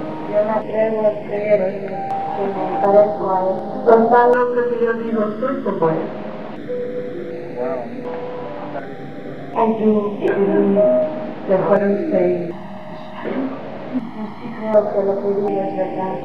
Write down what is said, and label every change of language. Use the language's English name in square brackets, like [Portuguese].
[Spanish] Yo me atrevo a creer que me parezco a él. Son tan hombres que yo digo, soy como él. Wow. [English] I do believe that what I'm saying is true. [Spanish] Yo sí creo que lo que digo es verdad.